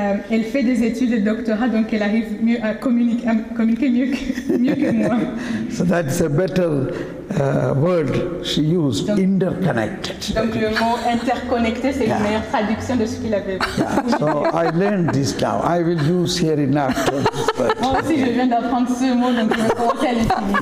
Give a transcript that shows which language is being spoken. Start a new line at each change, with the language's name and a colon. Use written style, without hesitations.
French: Elle fait des études de doctorat, donc elle arrive mieux à communiquer mieux que moi.
English: So that's a better word she used, donc, interconnected.
French: Donc le mot interconnecté, c'est une meilleure traduction de ce qu'il avait.
English: Yeah. So I learned this now. I will use here in afterwards.
French: Moi aussi, je viens d'apprendre ce mot, donc je vais commencer à l'utiliser.